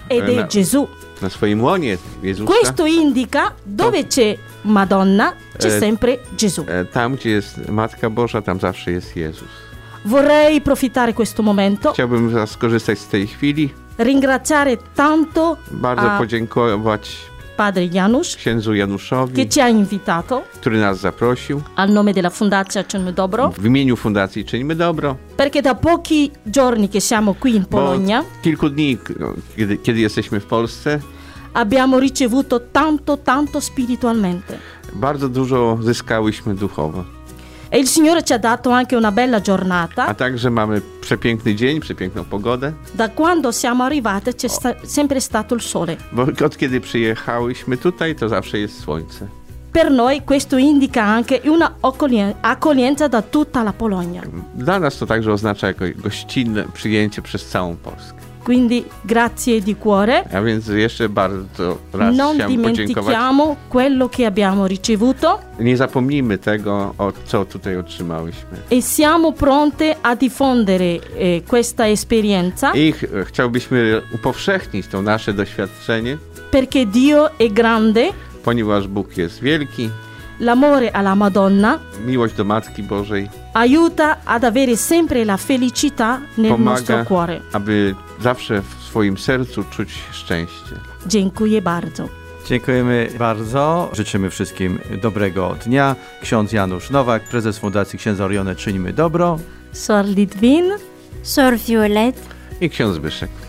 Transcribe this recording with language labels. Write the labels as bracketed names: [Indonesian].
[Italian] Ed è Gesù. [Polish] Na swoim łonie Jezusa. [Italian] Questo indica dove c'è Madonna, c'è sempre Gesù. [Polish] Tam gdzie jest Matka Boża, tam zawsze jest Jezus. [Italian] Vorrei approfittare questo momento. [Polish] Chciałbym skorzystać z tej chwili. [Italian] Ringraziare tanto. [Polish] Bardzo podziękować [Italian] Padre Janusz, [Polish] księdzu Januszowi, [Italian] che ci ha invitato, [Polish] który nas zaprosił. [Italian] Al nome della Fondazione Czyńmy Dobro. [Polish] W imieniu Fundacji Czyńmy Dobro. [Italian] Perché da pochi giorni che siamo qui in Polonia. [Polish] Kilku dni, kiedy jesteśmy w Polsce. [Italian] Abbiamo ricevuto tanto, tanto spiritualmente. [Polish] Bardzo dużo zyskałyśmy duchowo. [Italian] E il Signore ci ha dato anche una bella giornata. [Polish] A także mamy przepiękny dzień, przepiękną pogodę. [Italian] Da quando siamo arrivate c'è sempre stato il sole. [Polish] Bo od kiedy przyjechałyśmy tutaj, to zawsze jest słońce. [Italian] Per noi questo indica anche una accoglienza da tutta la Polonia. [Polish] Dla nas to także oznacza jako gościnne przyjęcie przez całą Polskę. [Italian] Quindi grazie di cuore. [Polish] A więc jeszcze bardzo raz [Italian] non [Polish] chciałem [Italian] dimentichiamo [Polish] podziękować. [Italian] Quello che abbiamo ricevuto. [Polish] Nie zapomnijmy tego, co tutaj otrzymałyśmy. [Italian] E siamo pronte a diffondere questa esperienza. [Polish] I chciałbyśmy upowszechnić to nasze doświadczenie. [Italian] Perché Dio è grande. [Polish] Ponieważ Bóg jest wielki. [Italian] L'amore alla Madonna. [Polish] Miłość do Matki Bożej. [Italian] Aiuta ad avere sempre la felicità nel nostro cuore. [Polish] Aby zawsze w swoim sercu czuć szczęście. Dziękuję bardzo. Dziękujemy bardzo. Życzymy wszystkim dobrego dnia. Ksiądz Janusz Nowak, prezes Fundacji Księdza Orione Czyńmy Dobro. Sor Litwin. Sor Violet. I ksiądz Zbyszek.